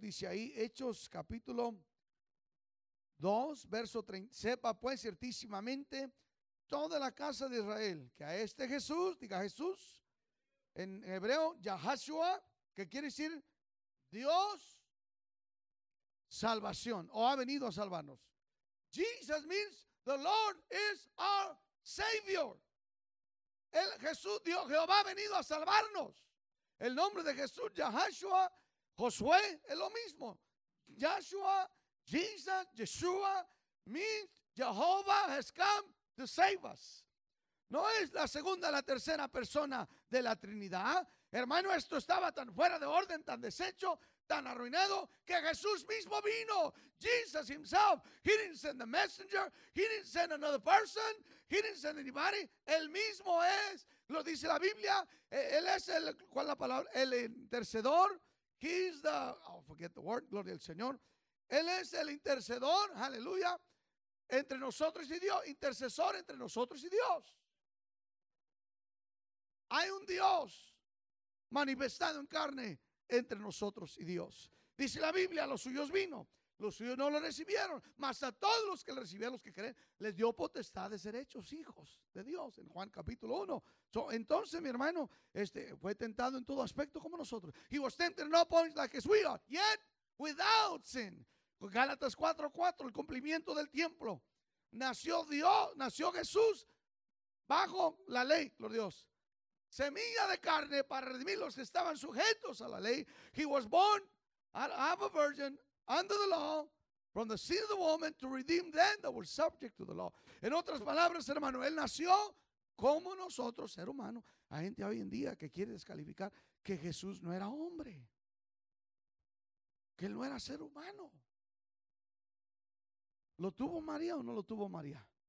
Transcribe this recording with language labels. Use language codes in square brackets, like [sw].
[es] Dice ahí Hechos capítulo 2, verso 30. Sepa pues ciertísimamente toda la casa de Israel que a este Jesús, diga Jesús, en hebreo, Yahashua, que quiere decir Dios, salvación, o ha venido a salvarnos. [en] Jesus means the Lord is our Savior. [es] El Jesús, Dios, Jehová ha venido a salvarnos. El nombre de Jesús, Yahashua, Josué, es lo mismo. [en] Yahshua, Jesus, Yeshua, means Jehovah has come to save us. [es] No es la segunda, la tercera persona de la Trinidad. Hermano, esto estaba tan fuera de orden, tan deshecho, tan arruinado, que Jesús mismo vino. [en] Jesus himself, he didn't send the messenger, he didn't send another person, he didn't send anybody. [es] Él mismo es, lo dice la Biblia, él es el, ¿cuál es la palabra? El intercedor. [en] He's the, oh, forget the word, [es] gloria al Señor. Él es el intercedor, aleluya, entre nosotros y Dios, intercesor entre nosotros y Dios. Hay un Dios manifestado en carne entre nosotros y Dios. Dice la Biblia, los suyos vino, los suyos no lo recibieron, mas a todos los que lo recibieron, los que creen, les dio potestad de ser hechos hijos de Dios, en Juan capítulo 1. So, entonces, mi hermano, fue tentado en todo aspecto como nosotros. [en] He was tempted in all points like as we are, yet without sin. [es] Gálatas 4:4, el cumplimiento del tiempo. Nació Dios, nació Jesús bajo la ley, gloria a Dios. Semilla de carne para redimir los que estaban sujetos a la ley. [en] He was born out of a virgin under the law from the seed of the woman to redeem them that were subject to the law. [es] En otras palabras, hermano, él nació como nosotros, ser humano. Hay gente hoy en día que quiere descalificar que Jesús no era hombre, que él no era ser humano. ¿Lo tuvo María o no lo tuvo María?